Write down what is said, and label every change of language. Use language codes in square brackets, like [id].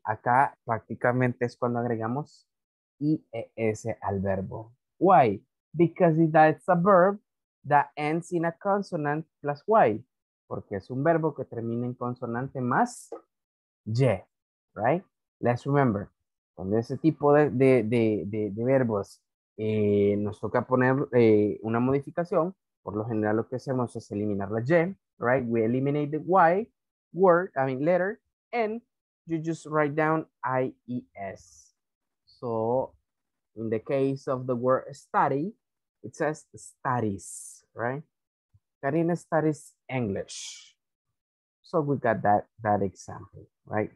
[es] Acá prácticamente es cuando agregamos IES al verbo. [en] Why? Because that's a verb that ends in a consonant plus Y. [es] Porque es un verbo que termina en consonante más Y, right? [en] Let's remember, [es] cuando ese tipo de verbos nos toca poner una modificación, por lo general lo que hacemos es eliminar la Y, right? [en] We eliminate the Y word, I mean letter, and you just write down I-E-S. So, in the case of the word study, it says studies, right? Karina studies English. So we got that example, right?